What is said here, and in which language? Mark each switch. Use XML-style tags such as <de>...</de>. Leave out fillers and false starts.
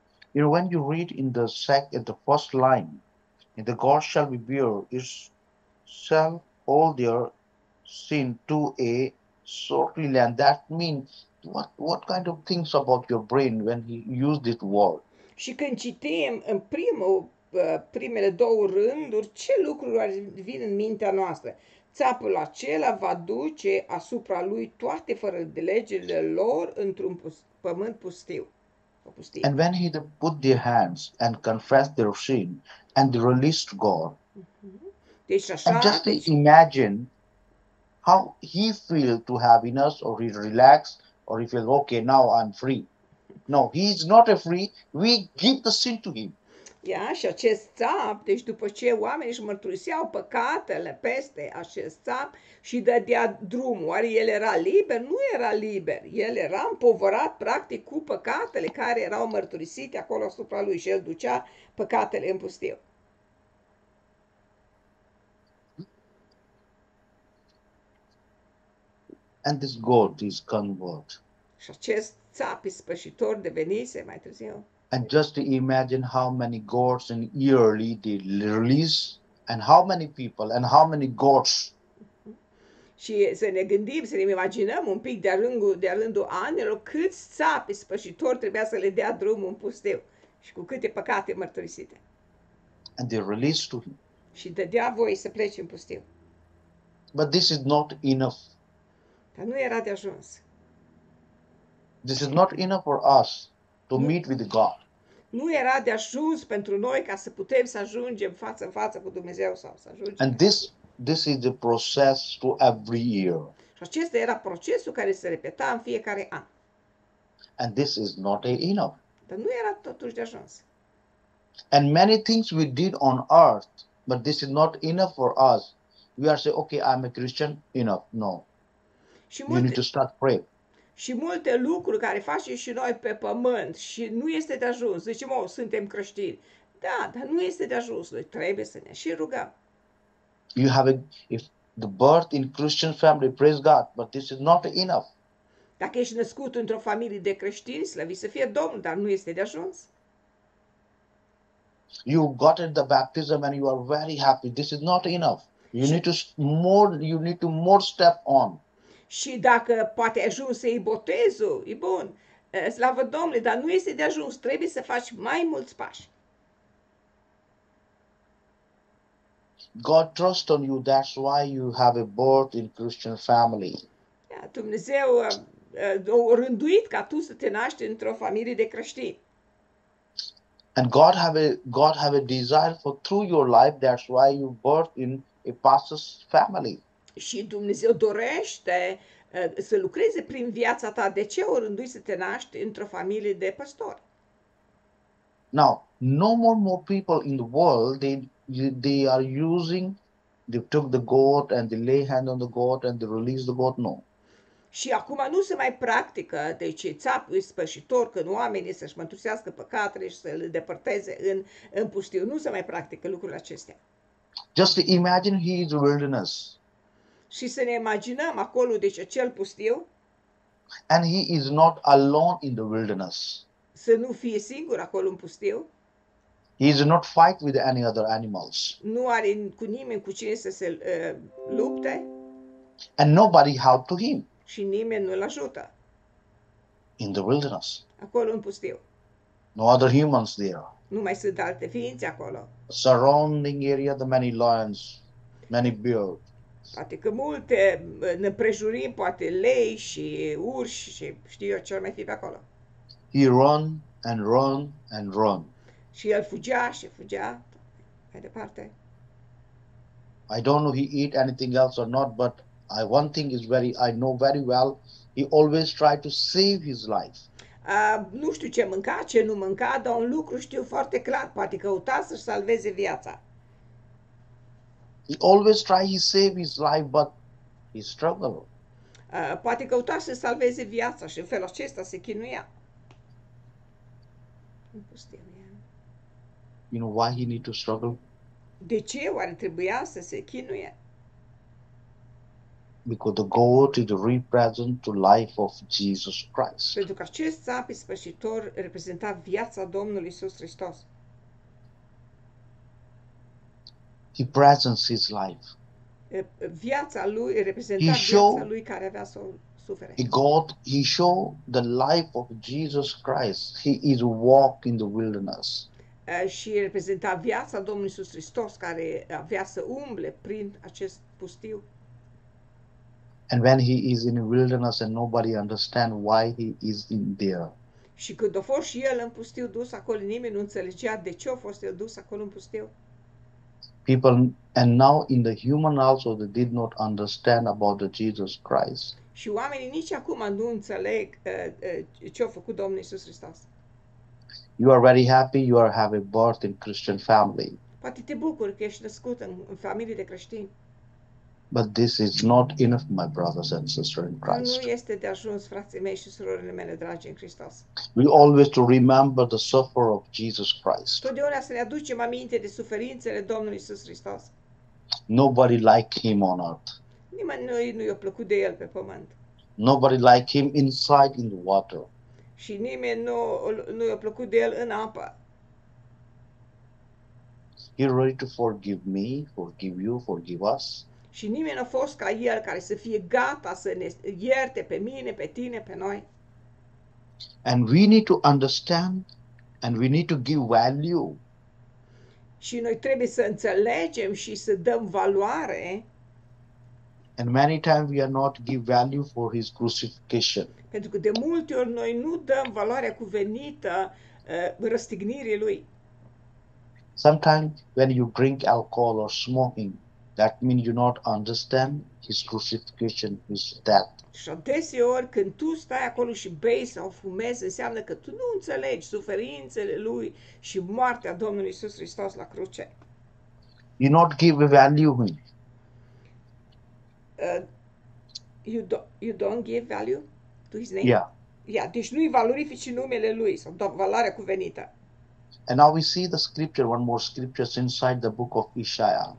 <en>You know, when you read in the second, the first line, in the God shall be bear itself all their sin to a sorry land. That means what kind of things about your brain when he used this word?</en> <ro>Și când citim în primele două rânduri, ce lucruri vin în mintea noastră? Țapul acela va duce asupra lui toate fără de legile lor într-un pământ pustiu.</ro> <en>And when he put their hands and confessed their sin and released God,</en> <ro>Deci așa,</ro> <en>and just</en> <ro>deci...</ro> <en>imagine how he feel to have in us, or he relax, or he feel, okay, now I'm free. No, he's not a free, we give the sin to him.</en> <ro>Ia, și acest țap, deci după ce oamenii își mărturiseau păcatele peste acest țap și dădea drumul, oare el era liber? Nu era liber, el era împovărat practic cu păcatele care erau mărturisite acolo asupra lui și el ducea păcatele în pustiu.</ro> <en>And this goat is convert.</en> <ro>Și acest țap ispășitor devenise mai târziu.</ro> <en>And just to imagine how many goats and yearly they release, and how many people, and how many goats.</en> <ro>Și să ne gândim, să ne imaginăm un pic de-a lungul anilor, câți țapi ispășitori trebuia să le dea drumul în pustiu și cu câte păcate mărturisite.</ro> <en>And they release to him.</en> <ro>Și dădea voie să plece în pustiu.</ro> <en>But this is not enough.</en> <ro>Dar nu era de ajuns.</ro> <en>This is not enough for us to meet with God.</en> <ro>Nu era de ajuns pentru noi ca să putem să ajungem față în față cu Dumnezeu sau să ajungem.</ro> <en>And this is the process to every year.</en> <ro>Și acesta era procesul care se repeta în fiecare an.</ro> <en>And this is not enough.</en> <ro>Dar nu era totuși de ajuns.</ro> <en>And many things we did on earth, but this is not enough for us. We are saying, okay, I'm a Christian, enough. No. You need to start praying.</en> <ro>Și multe lucruri care facem și noi pe pământ și nu este de ajuns. Zicem, oh, suntem creștini. Da, dar nu este de ajuns. Noi trebuie să ne și rugăm.</ro> <en>You have if the birth in Christian family, praise God, but this is not enough.</en> <ro>Dacă ești născut într-o familie de creștini, slăviți să fie Domnul, dar nu este de ajuns.</ro> <en>You got the baptism and you are very happy. This is not enough. You need to more step on.</en> <ro>Și dacă poate ajuns să iei botezul, e bun, slavă Domnului, dar nu este de ajuns, trebuie să faci mai mulți pași.</ro> <en>God trusts on you, that's why you have a birth in Christian family.</en> <ro>Ia, Dumnezeu a rânduit ca tu să te naști într-o familie de creștini.</ro> <en>And God have a desire for through your life, that's why you birth in a pastor's family.</en> <ro>Și Dumnezeu dorește să lucreze prin viața ta. De ce orândui să te naști într-o familie de păstori?</ro> <en>Now, no more people in the world, they are using, they took the goat and they lay hand on the goat and they release the goat, no.</en> <ro>Și acum nu se mai practică, deci țapul ispășitor, când oamenii să-și mântuiască păcatele și să le depărteze în pustiu. Nu se mai practică lucrurile acestea.</ro> <en>Just to imagine he is wilderness.</en> <ro>Și să ne imaginăm acolo, deci acel pustiu.</ro> <en>And he is not alone in the wilderness.</en> <ro>Să nu fie singur acolo în pustiu.</ro> <en>He is not fight with any other animals.</en> <ro>Nu are cu nimeni cu cine să se lupte.</ro> <en>And nobody help to him.</en> <ro>Și nimeni nu îl ajută.</ro> <en>In the wilderness.</en> <ro>Acolo în pustiu.</ro> <en>No other humans there.</en> <ro>Nu mai sunt alte ființe acolo.</ro> <en>Surrounding area, the many lions, many bear.</en> <ro>Poate că multe ne împrejurim, poate lei și urși și știu eu ce ar mai fi pe acolo.</ro> <en>He run and run and run.</en> <ro>Și el fugea și fugea mai departe.</ro> <en>I don't know he eat anything else or not, but I know very well, he always try to save his life.</en> <ro>Nu știu ce mânca, ce nu mânca, dar un lucru știu foarte clar, poate căuta să-și salveze viața.</ro> <en>He always try to save his life, but he struggled.</en> <ro>Poate căuta să salveze viața și în felul acesta se chinuia.</ro> <en>You know why he need to struggle?</en> <ro>De ce oare trebuia să se chinuie?</ro> <en>Because the goat is represent to life of Jesus Christ.</en> <ro>Pentru că acest țap ispășitor reprezenta viața Domnului Iisus Hristos.</ro> <en>He presents his life.</en> <ro>Viața lui reprezenta viața lui care avea să sufere.</ro> <en>He show the life of Jesus Christ. He is walk in the wilderness.</en> <ro>Și reprezenta viața Domnului Iisus Hristos care avea să umble prin acest pustiu.</ro> <en>And when he is in a wilderness and nobody understand why he is in there.</en> <ro>Și când a fost și el în pustiu dus acolo, nimeni nu înțelegea de ce a fost el dus acolo în pustiu.</ro> <en>People and now in the human also they did not understand about the Jesus Christ.</en> <ro>Și oamenii nici acum nu înțeleg ce a făcut Domnul Iisus Hristos.</ro> <en>You are very happy you are having birth in Christian family.</en> <ro>Poate te bucuri că ești născut în familie de creștini.</ro> <en>But this is not enough, my brothers and sisters in Christ.</en> <ro>Nu este de ajuns, frații mei și surorile mele dragi în Hristos.</ro> <en>We always to remember the suffering of Jesus Christ.</en> <ro>Totdeauna să ne aducem aminte de suferințele Domnului Iisus Hristos.</ro> <en>Nobody like him on earth.</en> <ro>Nimănui nu i-a plăcut de el pe pământ.</ro> <en>Nobody like him inside in the water.</en> <ro>Și nimeni nu i-a plăcut de el în apă.</ro> <en>He ready to forgive me, forgive you, forgive us.</en> <ro>Și nimeni n-a fost ca el care să fie gata să ne ierte pe mine, pe tine, pe noi.</ro> <en>And we need to understand and we need to give value.</en> <ro>Și noi trebuie să înțelegem și să dăm valoare.</ro> <en>And many times we are not give value for his crucifixion.</en> <ro>Pentru că de multe ori noi nu dăm valoarea cuvenită răstignirii lui.</ro> <en>Sometimes when you drink alcohol or smoking, that means you not understand his crucifixion, his death.</en> <ro>Și adeseori când tu stai acolo și bei sau fumezi, înseamnă că tu nu înțelegi suferințele lui și moartea Domnului Iisus Hristos la cruce.</ro> <en>You not give value him. You don't give value to his name? Yeah.</en> <ro>Yeah, deci nu-i valorifici numele lui sau valoarea cuvenită.</ro> <en>And now we see the scripture, one more scripture inside the book of Isaiah.</en>